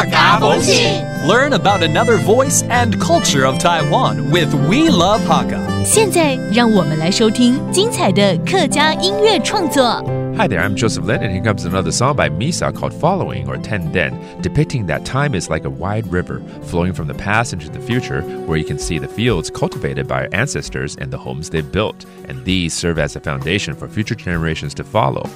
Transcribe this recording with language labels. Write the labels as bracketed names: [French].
[English] Learn about another voice and culture of Taiwan with We Love Hakka. [Chinese] 现在让我们来收听精彩的客家音乐创作。 [English] Hi there, I'm Joseph Lin, and here comes another song by Misa called Following or Ten Den, depicting that time is like a wide river, flowing from the past into the future, where you can see the fields cultivated by our ancestors and the homes they've built. And these serve as a foundation for future generations to follow.